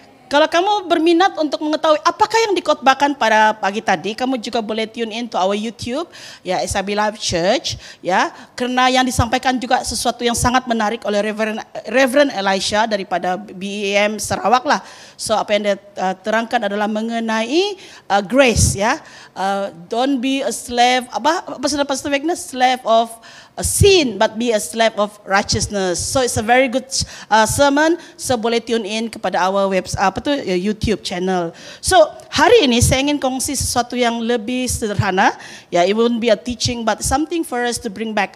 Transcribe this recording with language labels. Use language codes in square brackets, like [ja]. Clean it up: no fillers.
[ms] Kalau kamu berminat untuk mengetahui apakah yang dikhotbahkan pada pagi tadi, kamu juga boleh [en] tune in to our YouTube, [ms] ya, SIB Life Church, ya, karena yang disampaikan juga sesuatu yang sangat menarik oleh Reverend Elisha daripada BEM Sarawak lah. So apa yang dia terangkan adalah mengenai [en] grace, ya, don't be a slave, Pastor Wagner, slave of a sin, but be a slave of righteousness. So it's a very good sermon. [ms] So boleh [en] tune in [ms] kepada [en] our YouTube channel. [ms] So hari ini saya ingin kongsi sesuatu yang lebih sederhana. [en] Yeah, it won't be a teaching, but something for us to bring back.